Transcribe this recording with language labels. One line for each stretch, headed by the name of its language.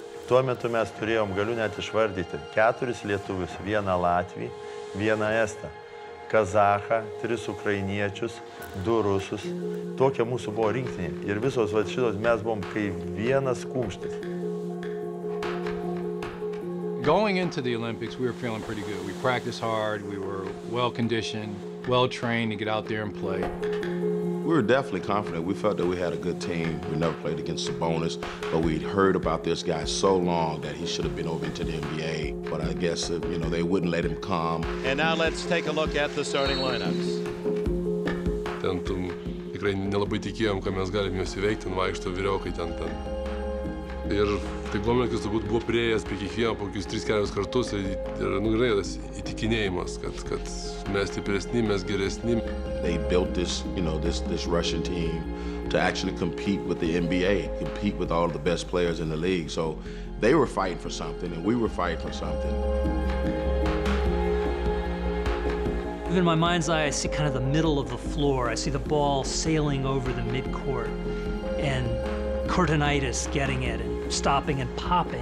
Lithuanian: Tuo metu mes turėjom, galiu net išvardyti, 4 lietuvius, 1 latvį, 1 estą, kazachą, 3 ukrainiečius, 2 rusus. Tokia mūsų buvo rinktinė. Ir visos va, šitos mes buvom kaip vienas kumštis.
English: Going into the Olympics, we were feeling pretty good. We practiced hard, we were well conditioned, well trained to get out there and play. We were definitely confident. We felt that we had a good team. We never played against Sabonis, but we'd heard about this guy so long that he should have been over into the NBA. But I guess, you know, they wouldn't let him come. And now let's take a look at the starting lineups.
Lithuanian: Ten tu tikrai nelabai tikėjom, ką mes galim juos įveikti, ten vaikšto vyriokai ten ten. Ir tai Gomelskis turbūt buvo priejęs prie kiekvieno kokius 3-4 kartus ir nu, grinai, tas įtikinėjimas, kad mes stipresni, mes geresni.
English: They built this, you know, this Russian team to actually compete with the NBA, compete with all the best players in the league. So they were fighting for something and we were fighting for something. In my mind's eye, I see kind of the middle of the floor. I see the ball sailing over the midcourt and Kurtinaitis getting it and stopping and popping.